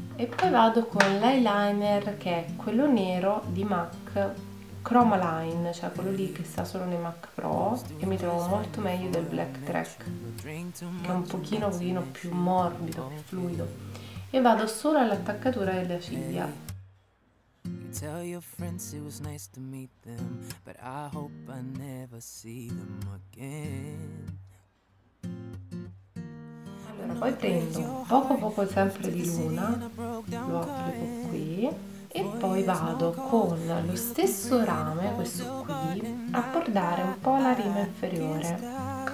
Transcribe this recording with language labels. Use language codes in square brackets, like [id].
[it] E poi vado con l'eyeliner, che è quello nero di MAC Chromaline, cioè quello lì che sta solo nei MAC Pro, e mi trovo molto meglio del Black Track, che è un pochino più morbido, più fluido, e vado solo all'attaccatura della ciglia. [en] Tell your friends it was nice to meet them, but I hope I never see them again. [it] Allora, poi prendo poco sempre di luna, lo applico qui. E poi vado con lo stesso rame, questo qui, a bordare un po' la rima inferiore.